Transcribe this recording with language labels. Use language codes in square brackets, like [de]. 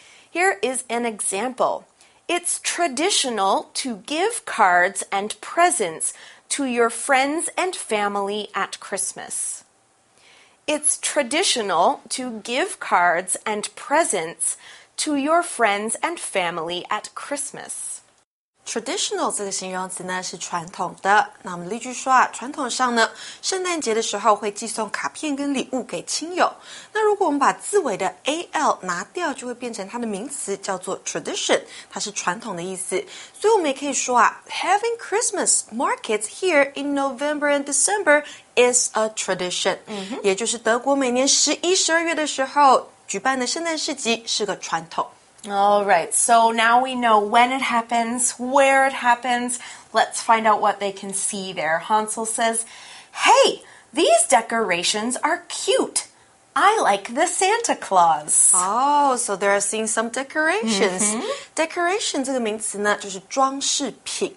[en] Here is an example. It's traditional to give cards and presents to your friends and family at Christmas. It's traditional to give cards and presents to your friends and family at Christmas. [zh] Traditional 这个形容词呢是传统的。那我们例句说啊，传统上呢，圣诞节的时候会寄送卡片跟礼物给亲友。那如果我们把字尾的 al 拿掉，就会变成它的名词叫做 tradition， 它是传统的意思。所以我们也可以说啊 [en] ，having Christmas markets here in November and December. Is a tradition. [zh] 也就是德国每年十一、十二月的时候举办的圣诞市集是个传统。 [en] All right, so now we know when it happens, where it happens. Let's find out what they can see there. Hansel says, Hey, these decorations are cute. I like the Santa Claus. Oh, so they're seeing some decorations. Decoration [zh] 这个名词呢就是装饰品。